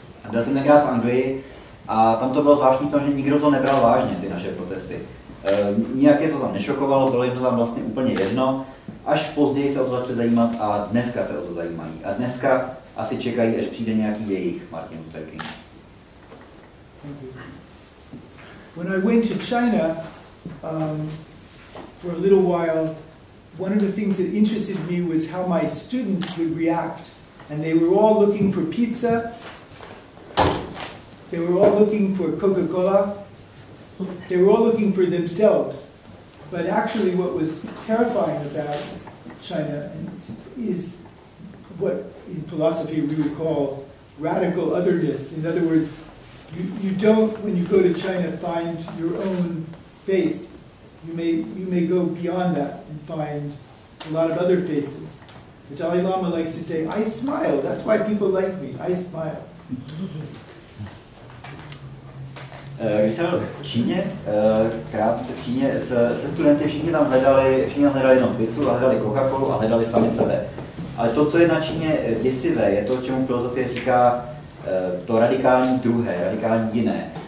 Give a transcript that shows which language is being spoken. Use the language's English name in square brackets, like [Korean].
[Czech] Byl jsem nekrát v Anglii a tam to bylo zvláštní tom, že nikdo to nebral vážně, ty naše protesty. Nijak je to tam nešokovalo, bylo jim to tam vlastně úplně jedno, až později se o to začali zajímat a dneska se o to zajímají. A dneska asi čekají, až přijde nějaký jejich Martin Luther King. [English] When I went to China for a little while, one of the things that interested me was how my students would react. And they were all looking for pizza. They were all looking for Coca-Cola. They were all looking for themselves. But actually what was terrifying about China is what in philosophy we would call radical otherness. In other words, you don't, when you go to China, find your own face. You may go beyond that and find a lot of other faces. The Dalai Lama likes to say, I smile, that's why people like me, I smile. [Czech] Když jsem byl v Číně, krátce v Číně, se studenty všichni tam hledali jenom pizzu a hledali Coca-Colu a hledali sami sebe. Ale to, co je na Číně děsivé, je to, čemu filozofie říká to radikální druhé, radikální jiné.